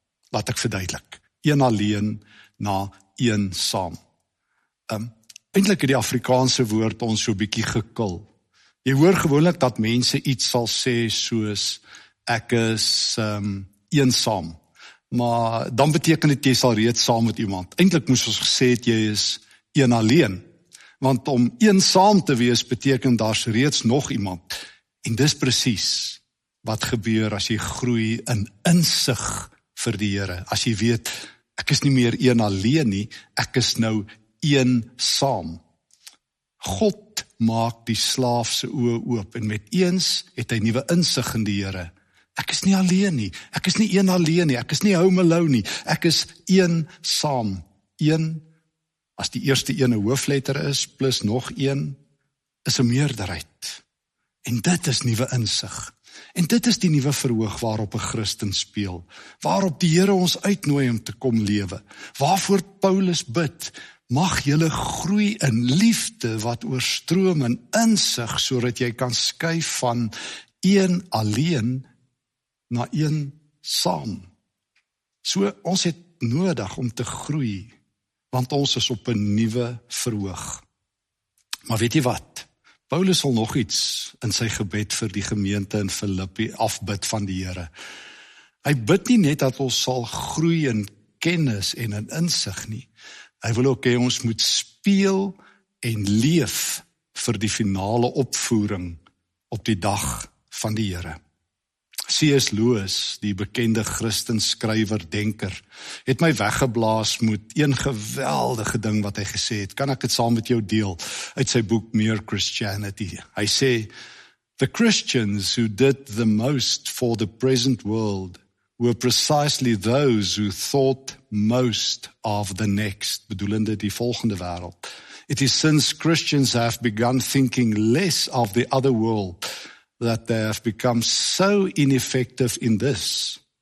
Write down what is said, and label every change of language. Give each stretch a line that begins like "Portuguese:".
Afrikaans: Laat ek verduidelik, een alleen na een saam. Eintlik het die Afrikaanse woord ons so 'n bietjie gekil. Jy hoor gewoonlik dat mense iets sal sê soos ek is eensaam. Maar dan beteken dit jy sal reeds saam met iemand. Eintlik moes ons gesê het jy is een alleen. Want om eensaam te wees beteken daar's reeds nog iemand. En dis presies wat gebeur as jy groei in insig vir die Here. As jy weet ek is nie meer een alleen nie, ek is nou eensaam. God maak die slaaf se oë oop en met eens het hy nuwe insig in die Here. Ek is nie alleen nie. Ek is nie een alleen nie. Ek is nie home alone nie. Ek is een saam. Een, as die eerste een 'n hoofletter is, plus nog een, is 'n meerderheid. En dit is nuwe insig. En dit is die nuwe verhoog waarop 'n Christen speel. Waarop die Here ons uitnooi om te kom lewe. Waarvoor Paulus bid, mag julle groei in liefde wat oorstroom in insig, sodat jy kan skuif van een alleen na een saam. So ons het nodig om te groei, want ons is op 'n nuwe verhoog. Maar weet jy wat? Paulus sal nog iets in sy gebed vir die gemeente in Filippi afbid van die Here. Hy bid nie net dat ons sal groei in kennis en in insig nie. Hy wil ook hê ons moet speel en leef vir die finale opvoering op die dag van die Here. C.S. Lewis, die bekende Christenskrywer, denker, het my weggeblaas met een geweldige ding wat hy gesê het. Kan ek dit saam met jou deel uit sy boek Mere Christianity? Hy sê,
English: "The Christians who did the most for the present world were precisely those who thought most of the next,"
Afrikaans: bedoelende die volgende wêreld.
English: "It is since Christians have begun thinking less of the other world that they have become so ineffective in this.